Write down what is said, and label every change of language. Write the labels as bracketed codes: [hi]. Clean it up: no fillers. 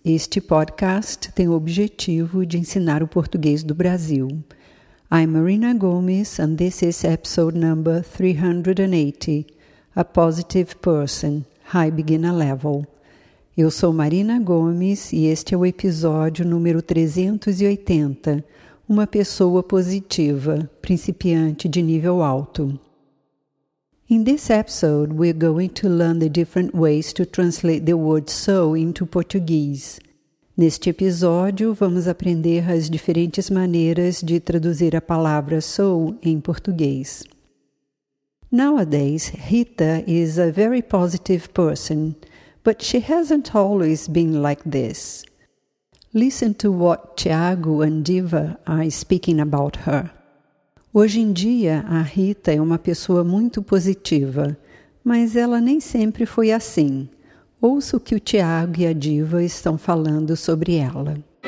[pt] Este podcast tem o objetivo de ensinar o português do Brasil. [en] I'm Marina Gomes, and this is episode number 380, A Positive Person, High Beginner Level. [pt] Eu sou Marina Gomes e este é o episódio número 380, Uma Pessoa Positiva, Principiante de Nível Alto. [en] In this episode, we're going to learn the different ways to translate the word so into Portuguese. [pt] Neste episódio, vamos aprender as diferentes maneiras de traduzir a palavra so em português. [en] Nowadays, Rita is a very positive person, but she hasn't always been like this. Listen to what Tiago and Diva are speaking about her. [pt] Hoje em dia, a Rita é uma pessoa muito positiva, mas ela nem sempre foi assim. Ouça o que o Tiago e a Diva estão falando sobre ela.